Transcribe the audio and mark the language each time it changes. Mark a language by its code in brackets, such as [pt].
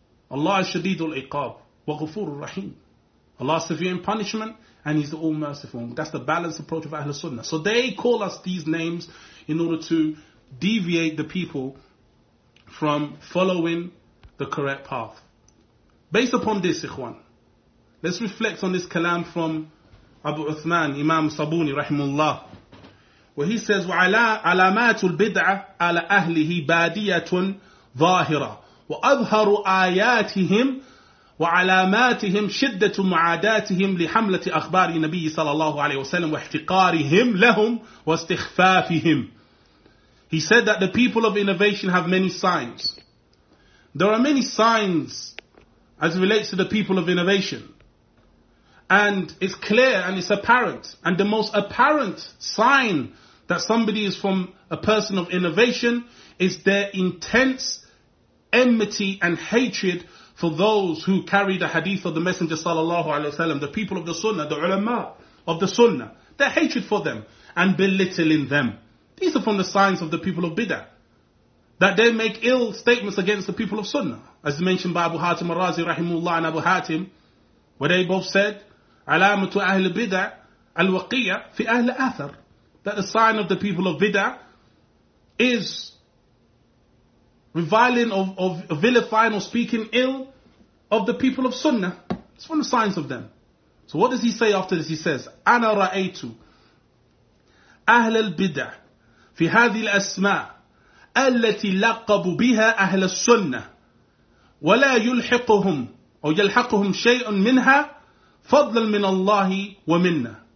[en] Allah is shadeedul iqab. [ar] Wa ghafurur rahim. [en] Allah is severe in punishment. And he's the all-merciful. That's the balanced approach of Ahlul Sunnah. So they call us these names in order to deviate the people from following the correct path. Based upon this, ikhwan, let's reflect on this kalam from Abu Uthman, Imam Sabuni, rahimullah, where he says, [ar] وَعَلَىٰ عَلَامَاتُ الْبِدْعَةِ عَلَىٰ أَهْلِهِ بَادِيَةٌ ظَاهِرَةٌ وَأَظْهَرُ آيَاتِهِمْ وَعَلَامَاتِهِمْ شِدَّةُ مُعَادَاتِهِمْ لِحَمْلَةِ أَخْبَارِ نَبِيِّ صَلَى اللَّهُ عَلَيْهِ وَسَلَّمْ وَاحْتِقَارِهِمْ لَهُمْ وَاسْتِخْفَافِهِمْ. [en] He said that the people of innovation have many signs. There are many signs as it relates to the people of innovation. And it's clear and it's apparent. And the most apparent sign that somebody is from a person of innovation is their intense enmity and hatred for those who carry the hadith of the Messenger sallallahu alaihi wasallam, the people of the Sunnah, the ulama of the Sunnah. Their hatred for them and belittling them. These are from the signs of the people of Bidah. That they make ill statements against the people of Sunnah. As mentioned by Abu Hatim al-Razi rahimullah and Abu Hatim, where they both said, [ar] Alamatu ahl bidah al-waqiyya fi ahl athar. [en] That the sign of the people of Bidah is reviling of vilifying or speaking ill of the people of Sunnah. It's one of the signs of them. So what does he say after this? He says, [ar] Ana ra'aytu ahl al-bidah fi hadhi al-asma' التي لقب بها أهل السنة ولا يلحقهم أو يلحقهم شيء منها فضلا من الله ومنا